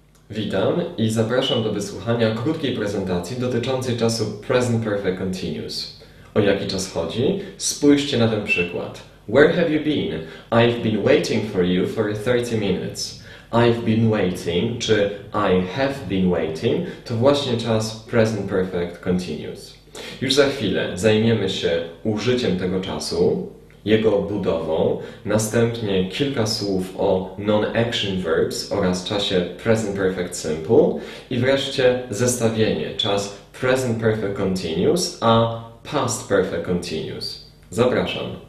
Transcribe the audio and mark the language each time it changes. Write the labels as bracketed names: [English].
[Polish] Witam i zapraszam do wysłuchania krótkiej prezentacji dotyczącej czasu Present Perfect Continuous. O jaki czas chodzi? Spójrzcie na ten przykład. [English] Where have you been? I've been waiting for you for 30 minutes. I've been waiting, [Polish] czy [English] I have been waiting, [Polish] to właśnie czas [English] Present Perfect Continuous. [Polish] Już za chwilę zajmiemy się użyciem tego czasu, jego budową, następnie kilka słów o non-action verbs oraz czasie present perfect simple i wreszcie zestawienie czas present perfect continuous a past perfect continuous. Zapraszam.